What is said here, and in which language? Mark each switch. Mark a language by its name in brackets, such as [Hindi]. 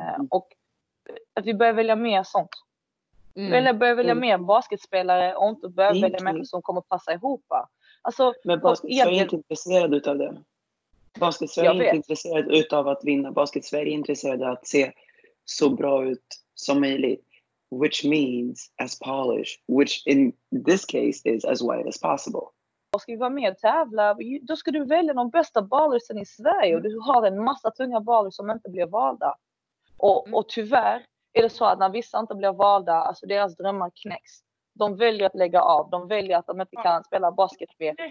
[Swedish] Och att vi börjar välja mer sånt. Börjar välja mer basketspelare och inte börja välja människor som kommer passa ihop. Alltså, men basket, jag är inte intresserad utav det. Basket Sverige är inte intresserad utav att vinna. Basket Sverige är intresserad av att se så bra ut som möjligt. [English] Which means as polished, which in this case is as white as possible. [Swedish] Och ska vi vara med och tävla, då ska du välja de bästa ballersen i Sverige. Och du har en massa tunga ballers som inte blir valda. Och tyvärr är det så att när vissa inte blir valda, alltså deras drömmar knäcks. De väljer att lägga av. De väljer att de inte kan spela basket med.